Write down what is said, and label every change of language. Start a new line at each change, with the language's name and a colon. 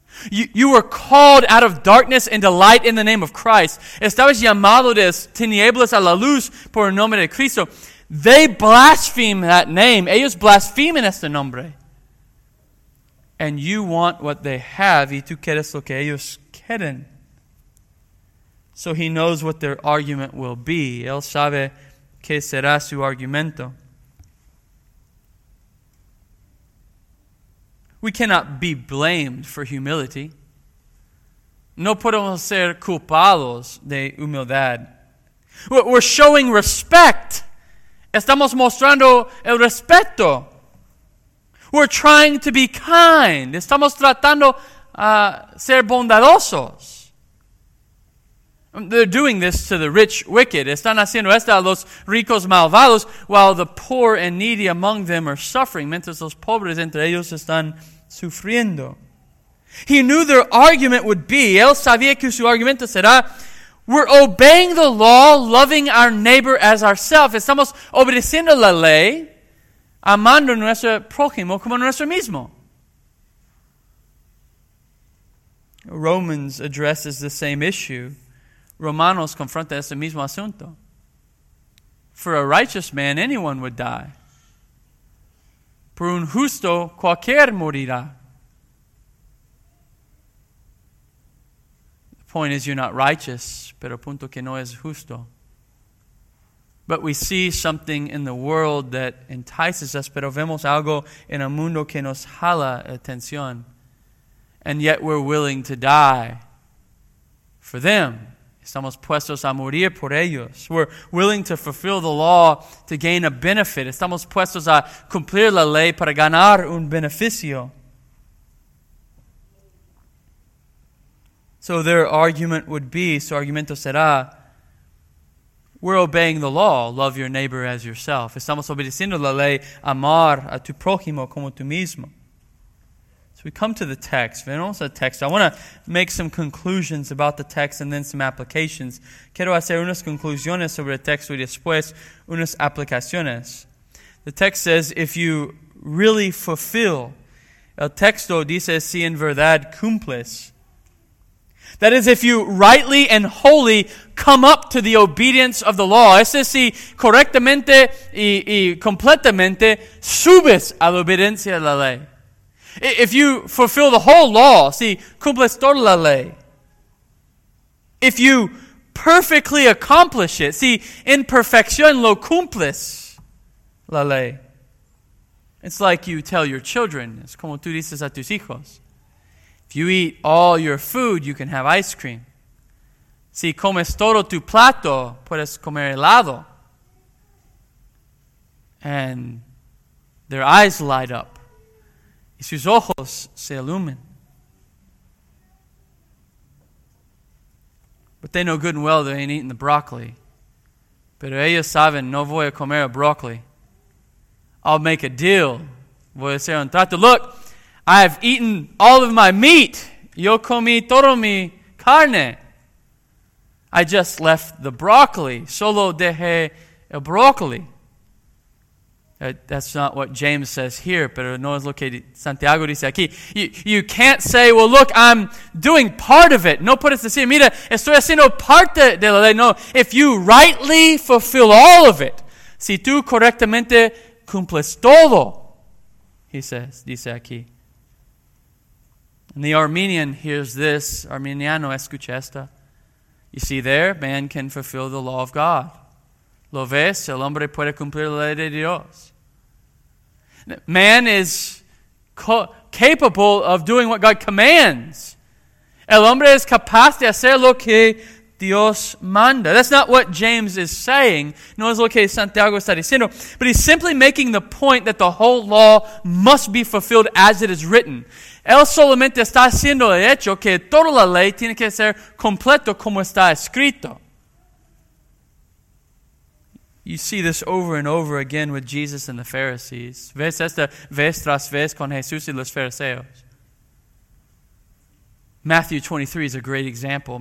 English: You were called out of darkness into light in the name of Christ.
Spanish: Estabas llamado de tinieblas a la luz por el nombre de Cristo.
English: They blaspheme that name.
Spanish: Ellos blasfemen este nombre.
English: And you want what they have.
Spanish: Y tú quieres lo que ellos quieren.
English: So he knows what their argument will be.
Spanish: Él sabe qué será su argumento.
English: We cannot be blamed for humility.
Spanish: No podemos ser culpados de humildad.
English: We're showing respect.
Spanish: Estamos mostrando el respeto.
English: We're trying to be kind.
Spanish: Estamos tratando ser bondadosos.
English: They're doing this to the rich wicked. Están haciendo esto a los ricos malvados while the poor and needy among them are suffering.
Spanish: Mientras los pobres entre ellos están sufriendo.
English: He knew their argument would be,
Spanish: él sabía que su argumento será,
English: we're obeying the law, loving our neighbor as ourselves.
Spanish: Estamos obedeciendo la ley, amando nuestro prójimo como nuestro mismo.
English: Romans addresses the same issue.
Spanish: Romanos confronta ese mismo asunto.
English: For a righteous man, anyone would die.
Spanish: Por un justo, cualquier morirá.
English: The point is you're not righteous,
Spanish: pero punto que no es justo.
English: But we see something in the world that entices us,
Spanish: pero vemos algo en el mundo que nos jala atención.
English: And yet we're willing to die for them.
Spanish: Estamos puestos a morir por ellos.
English: We're willing to fulfill the law to gain a benefit.
Spanish: Estamos puestos a cumplir la ley para ganar un beneficio.
English: So their argument would be,
Spanish: su argumento será,
English: we're obeying the law, love your neighbor as yourself.
Spanish: Estamos obedeciendo la ley, amar a tu prójimo como tú mismo.
English: So we come to the text.
Spanish: Venimos al texto.
English: I want to make some conclusions about the text and then some applications.
Spanish: Quiero hacer unas conclusiones sobre el texto y después unas aplicaciones.
English: The text says, if you really fulfill,
Spanish: el texto dice, si en verdad cumples.
English: That is, if you rightly and wholly come up to the obedience of the law.
Spanish: Es decir, correctamente y completamente subes a la obediencia de la ley.
English: If you fulfill the whole law,
Spanish: si cumples toda la ley.
English: If you perfectly accomplish it,
Spanish: si en perfección lo cumples la ley.
English: It's like you tell your children,
Spanish: es como tú dices a tus hijos.
English: If you eat all your food, you can have ice cream.
Spanish: Si comes todo tu plato, puedes comer helado.
English: And their eyes light up.
Spanish: Y sus ojos se ilumen.
English: But they know good and well they ain't eating the broccoli.
Spanish: Pero ellos saben, no voy a comer a broccoli.
English: I'll make a deal.
Spanish: Voy a hacer un trato.
English: Look, I have eaten all of my meat.
Spanish: Yo comí todo mi carne.
English: I just left the broccoli.
Spanish: Solo dejé el broccoli.
English: That's not what James says here,
Spanish: pero no es lo que Santiago dice aquí.
English: You can't say, well, look, I'm doing part of it.
Spanish: No puedes decir, mira, estoy haciendo parte de la ley.
English: No, if you rightly fulfill all of it,
Spanish: si tú correctamente cumples todo,
English: he says,
Spanish: dice aquí.
English: And the Armenian hears this,
Spanish: Armeniano escucha esta.
English: You see there, man can fulfill the law of God.
Spanish: ¿Lo ves? El hombre puede cumplir la ley de Dios.
English: Man is capable of doing what God commands.
Spanish: El hombre es capaz de hacer lo que Dios manda.
English: That's not what James is saying, nor is
Spanish: lo que Santiago está diciendo,
English: but he's simply making the point that the whole law must be fulfilled as it is written.
Spanish: Él solamente está haciendo el hecho que toda la ley tiene que ser completo como está escrito.
English: You see this over and over again with Jesus and the Pharisees.
Spanish: Ves esta vez tras vez con Jesús y los fariseos.
English: Matthew 23 is a great example.